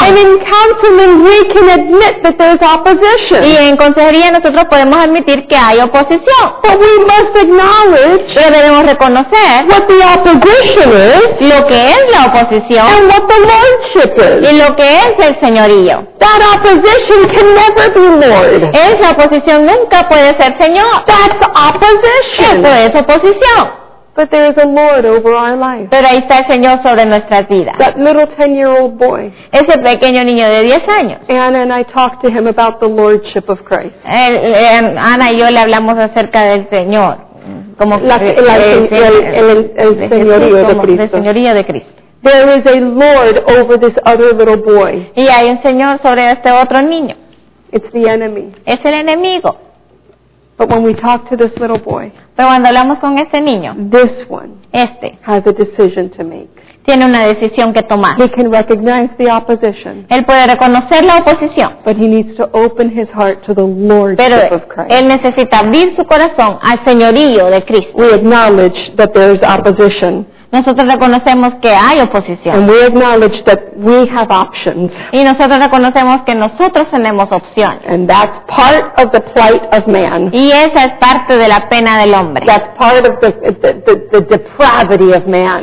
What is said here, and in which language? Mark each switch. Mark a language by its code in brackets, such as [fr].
[en] And in counseling we can admit that there's opposition. [es] Y en consejería nosotros podemos admitir que hay oposición. [en] But we must acknowledge. [es] Pero debemos reconocer. [en] What the opposition is. [es] Lo que es la oposición. [en] And what the lordship is. [es] Y lo que es el señorío. [en] That opposition can never be Lord. [es] Esa oposición nunca puede ser Señor. [en] That's opposition. [es] Eso es oposición. [en] But there is a Lord over our life. [es] Pero ahí está el Señor sobre nuestras vidas. [en] That little 10-year-old boy. [es] Ese pequeño niño de 10 años. [en] Anna and I talked to him about the lordship of Christ. [es] Anna y yo le hablamos acerca del Señor. Como el señorío de Cristo. [en] There is a Lord over this other little boy. [es] Y hay un Señor sobre este otro niño. [en] It's the enemy. [es] Es el enemigo. [en] But when we talk to this little boy. [es] Pero cuando hablamos con este niño. [en] This one. [es] Este. [en] Has a decision to make. [es] Tiene una decisión que tomar. [en] He can recognize the opposition. [es] Él puede reconocer la oposición. [en] But he needs to open his heart to the lordship of Christ. [es] Pero él necesita abrir su corazón al señorío de Cristo. [en] We acknowledge that there is opposition. [es] Nosotros reconocemos que hay oposición. [en] And we acknowledge that we have options. [es] Y nosotros reconocemos que nosotros tenemos opciones. [en] And that's part of the plight of man. [es] Y esa es parte de la pena del hombre. [en] That's part of the depravity of man.